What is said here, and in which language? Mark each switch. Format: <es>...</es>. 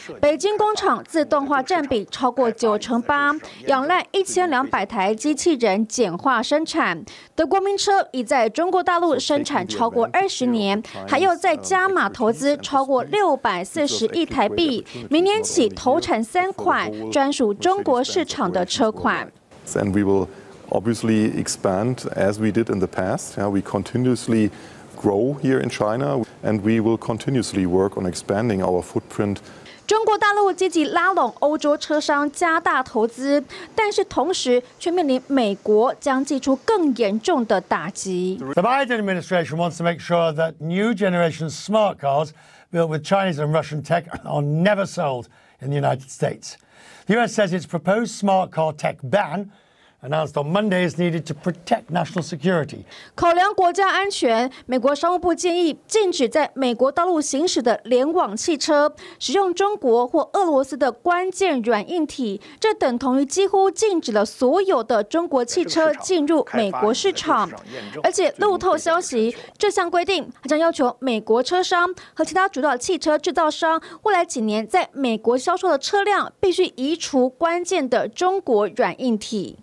<zh>北京工厂自动化占比超过98%，仰赖1200台机器人简化生产。德国名车已在中国大陆生产超过20年，还要再加码投资超过640亿台币，明年起投产3款专属中国市场的车款。</zh> <en>Obviously expand as we did in the past. Yeah, we continuously grow here in China, and we will continuously work on expanding our footprint.</en> <zh>中国大陆积极拉拢欧洲车商加大投资，但是同时却面临美国将祭出更严重的打击。</zh> <en>The Biden administration wants to make sure that new generation smart cars built with Chinese and Russian tech are never sold in the United States. The U.S. says its proposed smart car tech ban. Announced on Monday is needed to protect national security.</en> <zh>考量国家安全，美国商务部建议禁止在美国道路行驶的联网汽车使用中国或俄罗斯的关键软硬体，这等同于几乎禁止了所有的中国汽车进入美国市场。而且路透消息，这项规定还将要求美国车商和其他主导汽车制造商未来几年在美国销售的车辆必须移除关键的中国软硬体。</zh>